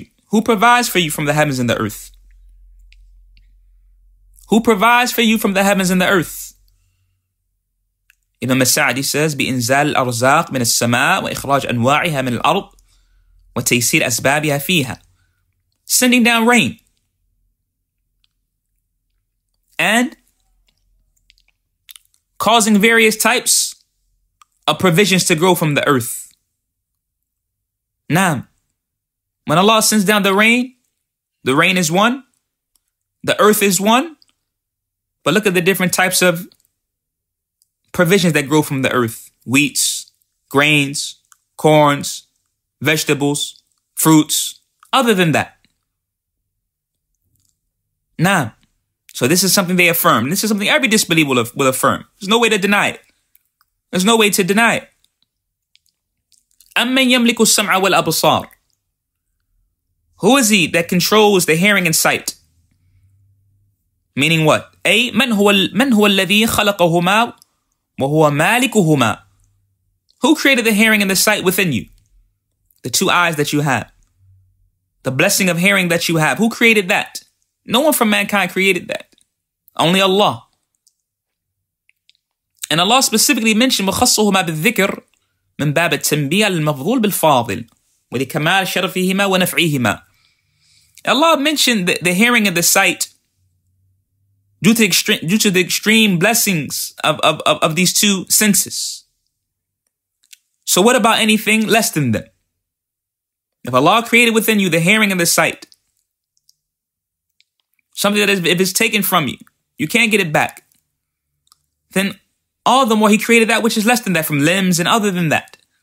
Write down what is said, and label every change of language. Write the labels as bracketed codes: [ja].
[en] Who provides for you from the heavens and the earth? Who provides for you from the heavens and the earth? Imam al-Sa'di says, [ar] بِإِنْزَالِ الْأَرْزَاقِ مِنَ السَّمَاءِ وَإِخْرَاجِ أَنْوَاعِهَا مِنَ الْأَرْضِ وَتَيْسِيرِ أَسْبَابِهَا فِيهَا. [en] Sending down rain and causing various types of provisions to grow from the earth. Naam. When Allah sends down the rain is one, the earth is one, but look at the different types of provisions that grow from the earth. Wheats, grains, corns, vegetables, fruits. Other than that. Nah. So this is something they affirm. This is something every disbeliever will affirm. There's no way to deny it. There's no way to deny it. [ar] أَمَّنْ يَمْلِكُ السَّمْعَ وَالْأَبْصَارِ. [en] Who is he that controls the hearing and sight? Meaning what? [ar] A, من هو الذي خلقهما وهو مالكهما. [en] Who created the hearing and the sight within you? The two eyes that you have. The blessing of hearing that you have. Who created that? No one from mankind created that. Only Allah. And Allah specifically mentioned, [ar] مخصهما بالذكر من باب التنبيه المفضول بالفاضل ولكمال شرفهما ونفعهما. [en] Allah mentioned the hearing and the sight due to the extreme blessings of these two senses. So what about anything less than them? If Allah created within you the hearing and the sight, something that is, if it's taken from you, you can't get it back, then all the more He created that which is less than that from limbs and other than that.